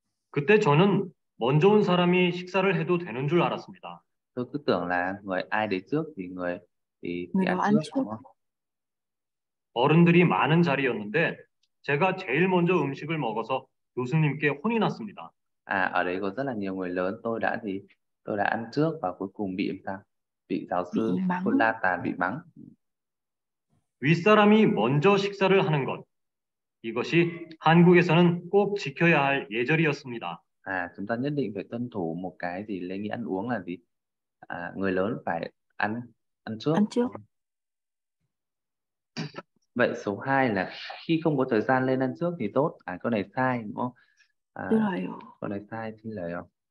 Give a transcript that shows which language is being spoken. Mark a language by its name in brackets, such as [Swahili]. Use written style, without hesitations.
[Korean] 그때 저는 먼저 온 사람이 식사를 해도 되는 줄 알았습니다. [Vietnamese] Tôi cứ tưởng là người ai đến trước thì người thì ăn trước. [Korean] 어른들이 많은 자리였는데 제가 제일 먼저 음식을 먹어서 교수님께 혼이 났습니다. [Vietnamese] 아, ở đây có rất là nhiều người lớn. Tôi đã ăn trước và cuối cùng bị giáo sư hôn la tà bị mắng. [Korean] 윗사람이 먼저 식사를 하는 것, 이것이 한국에서는 꼭 지켜야 할 예절이었습니다. [Vietnamese] 아, chúng ta nhất định phải tuân thủ một cái gì lễ nghĩa ăn uống là gì? À, người lớn phải ăn trước. Ăn trước. Vậy số 2 là khi không có thời gian lên ăn trước thì tốt. À, câu này sai đúng không? À, câu này sai, xin lời không?